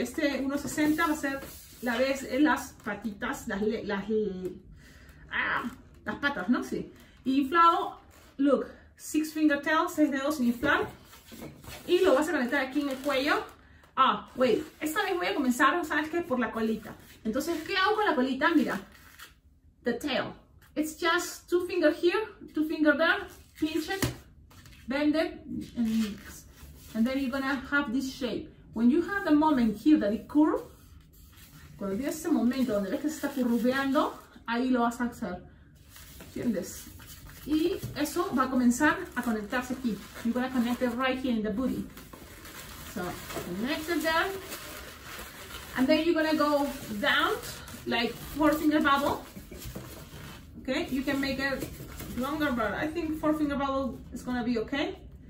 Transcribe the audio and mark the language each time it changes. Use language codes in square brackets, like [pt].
[es] Este 160 va a ser la vez en las patitas, las patas, ¿no? Sí. Inflado, [en] look, six finger tail, [es] seis dedos sin inflar. Y lo vas a conectar aquí en el cuello. [en] Ah, wait, [es] esta vez voy a comenzar, ¿sabes qué? Por la colita. Entonces, ¿qué hago con la colita? Mira, [en] the tail. It's just two finger here, two finger there, pinch it, bend it, and then you're gonna have this shape. When you have the moment here that it curve, [es] cuando tienes ese momento donde ves que se está curveando, ahí lo vas a hacer. ¿Entiendes? Y eso va a comenzar a conectarse aquí. [en] You're gonna connect it right here in the booty. So, connect it down. And then you're gonna go down, like four finger bubble. Okay, you can make it longer, but I think four finger bubble is gonna be okay.